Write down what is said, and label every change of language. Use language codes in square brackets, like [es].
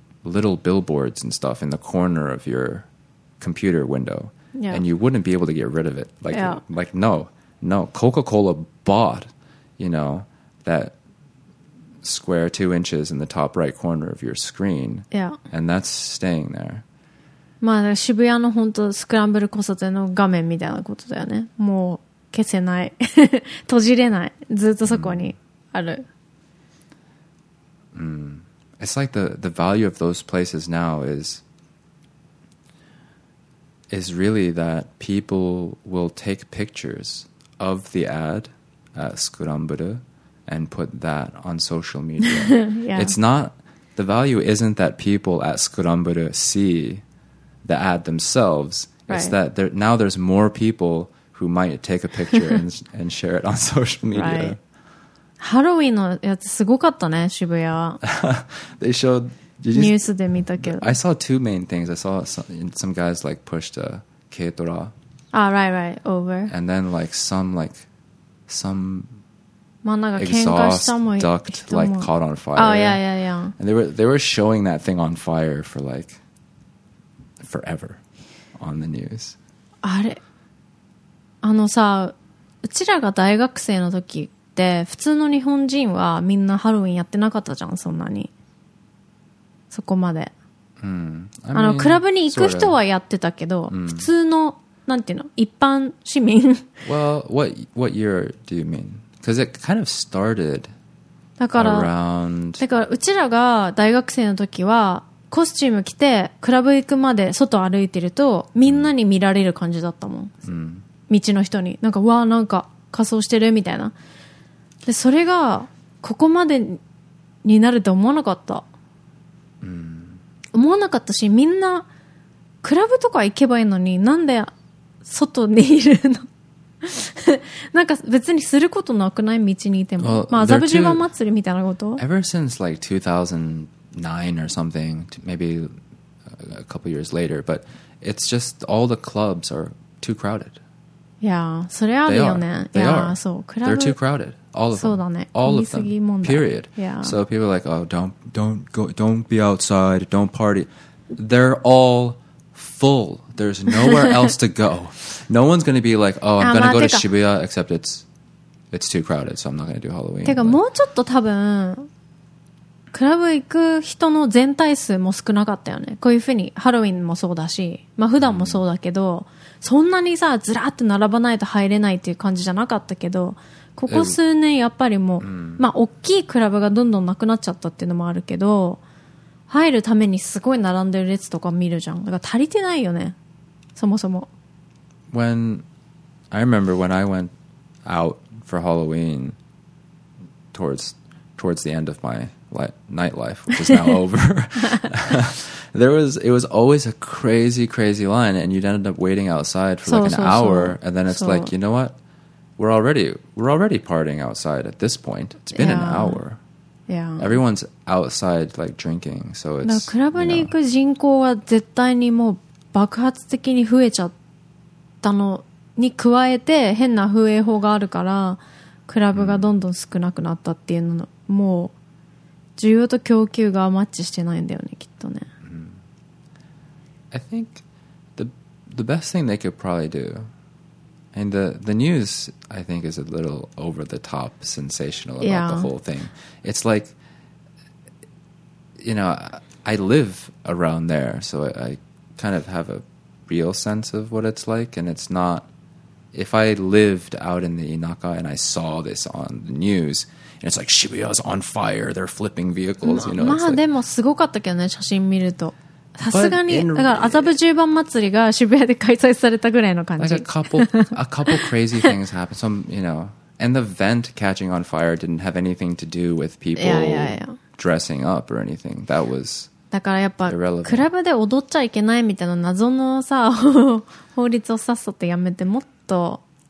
[en] little billboards and stuff in the corner of your computer window and you wouldn't be able to get rid of it like no Coca-Cola bought you know that square 2 inches in the top right corner of your screen and that's staying there [ja] まあ渋谷の本当スクランブル交差点の画面みたいなことだよね。もう消せない閉じれない、ずっとそこにある、 mm. Mm. [en] It's like the value of those places now is really that people will take pictures of the ad at Scramble and put that on social media. Yeah. It's not, the value isn't that people at Scramble see the ad themselves. Right. It's that there, now there's more people who might take a picture and share it on social media. Right. [ja] ハロウィンのやつすごかったね、渋谷は。 [en] They showed... [ja] ニュースで見たけど。 [en] I saw two main things. I saw some guys like pushed a K-Tora. Ah, right, right. Over. And then like, some exhaust duct like caught on fire. Oh, yeah, yeah, yeah. And they were showing that thing on fire for like forever on the news. [ja] あれ、あのさ、うちらが大学生の時って普通の日本人はみんなハロウィンやってなかったじゃん、そんなに。そこまで、 [en] mm. I mean, [ja] あのクラブに行く人はやってたけど、 [en] sort of. [ja] mm. 普通のなんていうの一般市民。 [en] Well, what year do you mean? Because it kind of started around. [ja] だからうちらが大学生の時はコスチューム着てクラブ行くまで外歩いてるとみんなに見られる感じだったもん。 Mm. 道の人になんかわあなんか仮装してるみたいな。でそれがここまでになると思わなかった。思わなかったし、みんなクラブとか行けばいいのになんで外にいるのなんか別にすることなくない、道にいても。 [en] well, [ja] まあ麻布十番祭りみたいなこと。 [en] Ever since like 2009 or something, maybe a couple years later, but it's just all the clubs are too crowded. Yeah, [ja] それあるよね。 [en] They are. [ja] いやそうクラブ [en] They're too crowded. All of them. [ja] そうだね。 [en] All of them. Period. Yeah. So people are like, oh, don't go, don't be outside, don't party. They're all full. There's nowhere else to go. No one's going to be like, oh, I'm going to go to Shibuya, except it's too crowded, so I'm not going to do Halloween. [ja] てか、もうちょっと多分、クラブ行く人の全体数も少なかったよね。こういうふうに、ハロウィンもそうだし、まあ普段もそうだけど、そんなにさ、ずらーって並ばないと入れないっていう感じじゃなかったけど、ここ数年やっぱりもう、 mm. まあ大きいクラブがどんどんなくなっちゃったっていうのもあるけど、入るためにすごい並んでる列とか見るじゃん。だから足りてないよね、そもそも。 [en] When I remember when I went out for Halloween towards the end of my nightlife, which is now over, it was always a crazy, crazy line, and you'd end up waiting outside for like an hour, and then it's like, you know what? We're already partying outside at this point. It's been an hour. Yeah. Everyone's outside like drinking, so it's. [ja] だからクラブに行く人口は絶対にもう爆発的に増えちゃったのに加えて変な風営法があるからクラブがどんどん少なくなったっていうの、もう需要と供給がマッチしてないんだよね、きっとね。 [en] I think the best thing they could probably do. And the news, I think, is a little over-the-top sensational about the whole thing. It's like, you know, I live around there, so I kind of have a real sense of what it's like. And it's not... If I lived out in the Inaka and I saw this on the news, and it's like, Shibuya's on fire, they're flipping vehicles, you know? [ja] まあ、でもすごかったけどね、写真見ると。さすがに、だから麻布十番祭りが渋谷で開催されたぐらいの感じ。 [en] Like a couple crazy things happened. Some, you know, and the vent catching on fire didn't have anything to do with people dressing up or anything. That was irrelevant. [ja] だからやっぱクラブで踊っちゃいけないみたいな謎のさ法律をさっさとやめて、もっと。